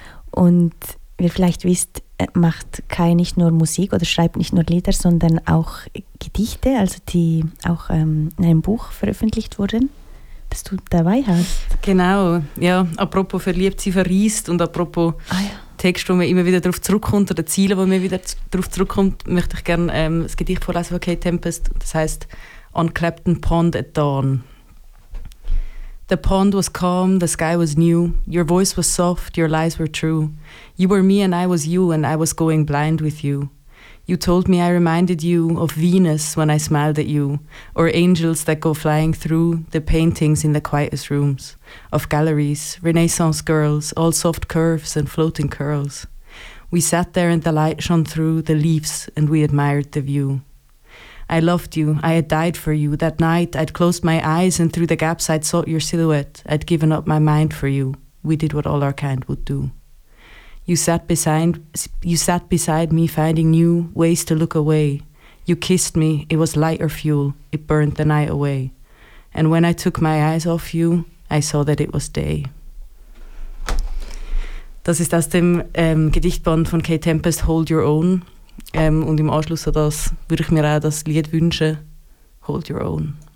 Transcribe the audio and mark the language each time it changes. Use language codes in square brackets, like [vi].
[de] Und wie ihr vielleicht wisst, macht Kay nicht nur Musik oder schreibt nicht nur Lieder, sondern auch Gedichte, also die auch in einem Buch veröffentlicht wurden, das du dabei hast. Genau, ja, apropos verliebt, sie verriest und apropos Text, wo man immer wieder darauf zurückkommt oder Ziele, wo man wieder darauf zurückkommt, möchte ich gerne das Gedicht vorlesen von Kay Tempest, das heisst [en] on Clapton Pond at dawn. The pond was calm, the sky was new, your voice was soft, your lies were true. You were me and I was you, and I was going blind with you. You told me I reminded you of Venus when I smiled at you, or angels that go flying through the paintings in the quietest rooms of galleries, Renaissance girls, all soft curves and floating curls. We sat there and the light shone through the leaves and we admired the view. I loved you. I had died for you. That night I'd closed my eyes and through the gaps I'd sought your silhouette. I'd given up my mind for you. We did what all our kind would do. You sat beside me, finding new ways to look away. You kissed me. It was lighter fuel. It burned the night away. And when I took my eyes off you, I saw that it was day. [de] Das ist aus dem Gedichtband von Kay Tempest, Hold Your Own. Und im Anschluss an das würde ich mir auch das Lied wünschen, Hold Your Own.